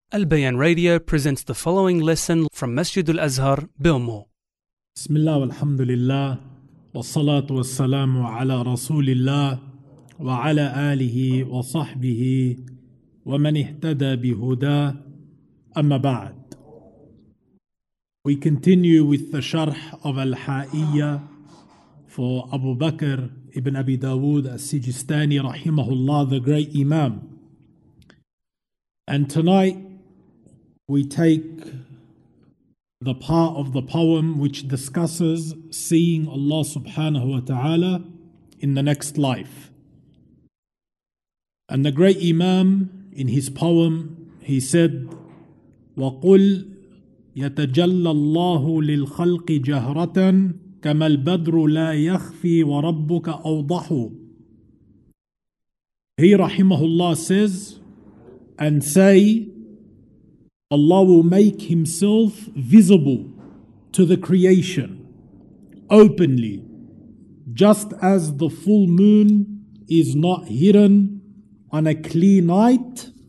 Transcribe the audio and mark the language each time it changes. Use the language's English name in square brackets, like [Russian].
[English] البيان radio presents the following lesson from مسجد الأزهر بأمه. [Arabic] بسم الله والحمد لله والصلاة والسلام على رسول الله وعلى آله وصحبه ومن اهتدى بهداه أما بعد. [English] We continue with the شرح of الحائية for أبو بكر ابن أبي داود السجستاني رحمه الله, the great imam. And tonight we take the part of the poem which discusses seeing Allah subhanahu wa ta'ala in the next life. And the great imam in his poem, he said, [Arabic] وَقُلْ يَتَجَلَّ اللَّهُ لِلْخَلْقِ جَهْرَةً كَمَا الْبَدْرُ لَا يَخْفِي وَرَبُّكَ أَوْضَحُ. [English] He rahimahullah says, and say, Allah will make himself visible to the creation openly, just as the full moon is not hidden on a clear night.